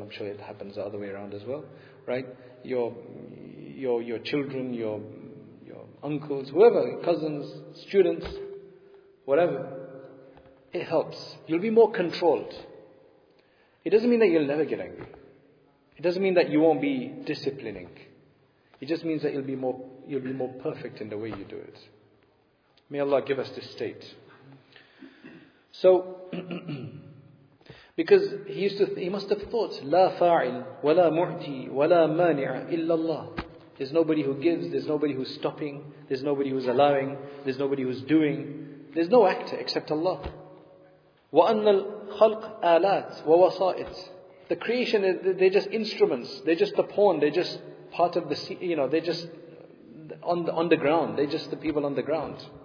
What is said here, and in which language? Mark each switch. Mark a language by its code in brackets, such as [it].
[en] I'm sure it happens the other way around as well. Right? Your children, uncles, whoever, cousins, students, whatever, it helps. You'll be more controlled. It doesn't mean that you'll never get angry. It doesn't mean that you won't be disciplining. It just means that you'll be more perfect in the way you do it. May Allah give us this state. So, because he must have thought, [ar] لَا فَاعِلْ وَلَا مُعْتِي وَلَا مَانِعَ إِلَّا اللَّهِ. [en] There's nobody who gives, there's nobody who's stopping, there's nobody who's allowing, there's nobody who's doing. There's no actor except Allah. [ar] وَأَنَّ الْخَلْقَ آلَاتِ وَوَسَائِتِ. [en] The creation, they're just instruments, they're just the pawn, they're just part of the, you know, they're just on the ground, they're just the people on the ground.